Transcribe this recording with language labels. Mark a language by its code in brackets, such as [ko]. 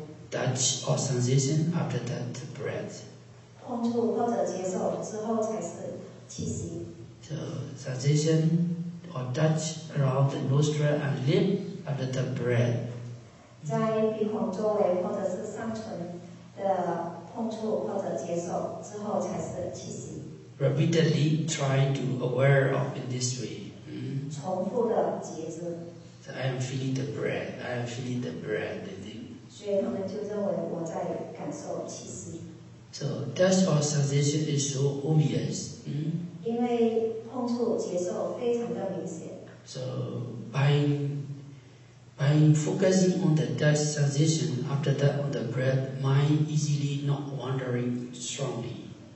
[en] touch or sensation after that breath. So sensation or touch around the nostril and lip after the breath. [zh] 在鼻孔周围或者是上唇的碰触或者接受之后才是气息。 [en] Repeatedly try to aware of in this way.、 [zh] 重复的觉知。 [en] So I am feeling the breath. I am feeling the breath. I think. [zh] 所以他们就认为我在感受气息。 [en] So touch or sensation is so obvious.、 [zh] 因为碰触接受非常的明显。 [en] So by focusing on the touch sensation, after that on the breath, mind easily not wandering strongly.